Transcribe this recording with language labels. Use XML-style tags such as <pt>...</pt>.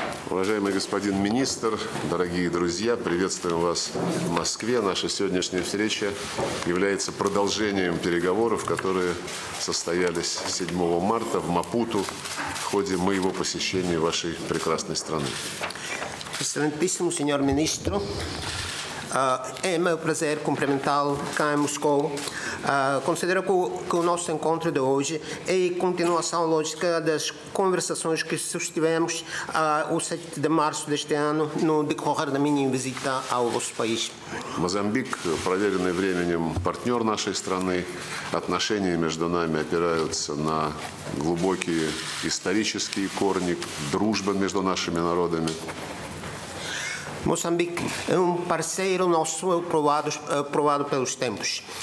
<ru>Уважаемый господин министр, дорогие друзья, приветствуем вас в Москве. Наша сегодняшняя встреча является продолжением переговоров, которые состоялись 7 марта в Мапуту в ходе моего посещения вашей прекрасной страны.</ru> <it>Excelentissimo signor ministro. È un mio piacere complimentarmi qui a Mosca. Considero che il nostro incontro di oggi è la continuazione logica delle conversazioni che sostivemo il 7 di marzo di quest'anno nel decorrere della mia visita al vostro paese.</it> <ru>Mozambik, проверенный временем партнер нашей страны, отношения между нами опираются на глубокие исторические корни, дружба между нашими народами.</ru> <pt>Moçambique é parceiro nosso provado pelos tempos.</pt>